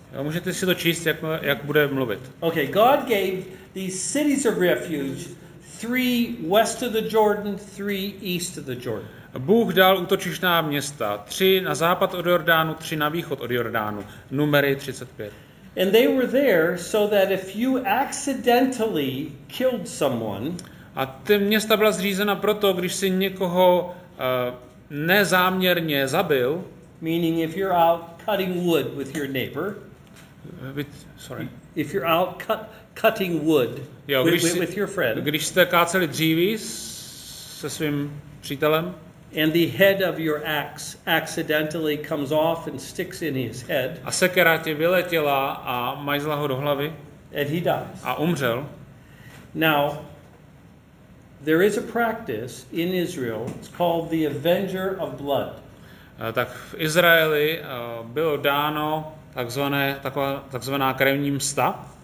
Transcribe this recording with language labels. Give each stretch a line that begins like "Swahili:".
Czech: A můžete si to číst, jak bude mluvit.
English: Okay, God gave these cities of refuge, three west of the Jordan, three east of the Jordan.
Czech: Bůh dal útočištná města, tři na západ od Jordánu, tři na východ od Jordánu. Numery 35.
English: And they were there so that if you accidentally killed someone,
Czech: a ty města byla zřízena proto, když si někoho nezáměrně zabil,
English: meaning if you're out cutting wood with your neighbor, with your friend,
Czech: když jste káceli dříví se svým přítelem,
English: and the head of your axe accidentally comes off and sticks in his head.
Czech: A sekera ti vyletěla a majzla ho do hlavy.
English: And he dies.
Czech: A umřel.
English: Now, there is a practice in Israel. It's called the Avenger of Blood.
Czech: Tak v Izraeli bylo dáno takzvaná krevní msta.